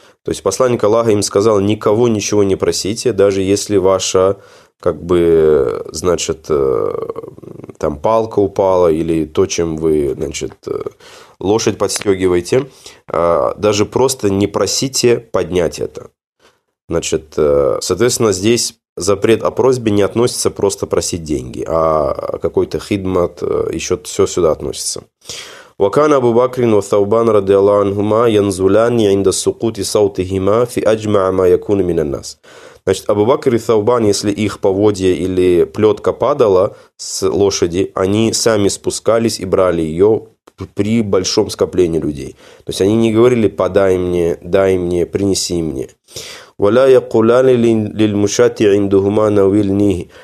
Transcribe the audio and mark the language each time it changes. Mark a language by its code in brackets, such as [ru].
[ru] То есть посланник Аллаха им сказал: никого ничего не просите, даже если ваша, как бы, значит, там палка упала или то, чем вы, значит, лошадь подстегиваете, даже просто не просите поднять это. Значит, соответственно, здесь запрет о просьбе не относится просто просить деньги, а какой-то хидмат, еще все сюда относится. [ar] وكان أبو بكر وثوبان رضي الله عنهما ينزلان عند سقوط صوتهما في أجمع ما يكون من الناس. [ru] Значит, Абу Бакр и Саубан, если их поводья или плетка падала с лошади, они сами спускались и брали ее при большом скоплении людей. То есть они не говорили: подай мне, дай мне, принеси мне. [ar] وَلَا يَقُولَانِ لِلْمُشَاتِ عِنْدُهُمَا نَوِلْنِهِ.